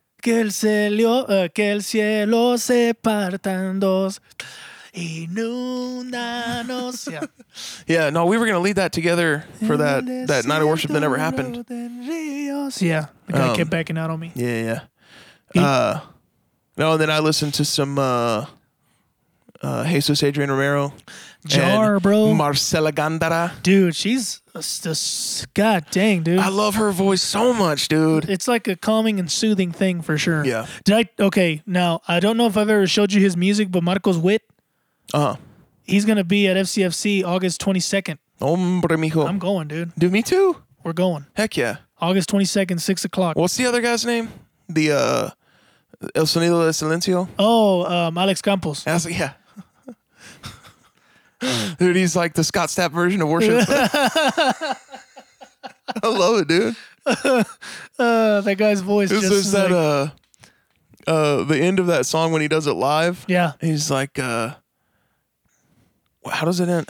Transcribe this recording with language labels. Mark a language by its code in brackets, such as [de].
[es] Que el cielo se partan dos. Inundanos. [en] Yeah, no, we were going to lead that together for that night of worship that never happened. Yeah, the guy kept backing out on me. Yeah, yeah. And then I listened to some... Jesus Adrian Romero. Jar, bro. Marcella Gandara. Dude, she's God dang, dude. I love her voice so much, dude. It's like a calming and soothing thing for sure. Yeah. Okay, now, I don't know if I've ever showed you his music, but Marcos Witt. He's going to be at FCFC August 22nd. [es] Hombre, mijo. [en] I'm going, dude. Do me too. We're going. Heck yeah. August 22nd, 6 o'clock. What's the other guy's name? The El Sonido de Silencio? Oh, Alex Campos. Yeah. Dude, he's like the Scott Stapp version of Worship. I love it, dude. That guy's voice. This is that like, the end of that song when he does it live. Yeah. He's like, how does it end?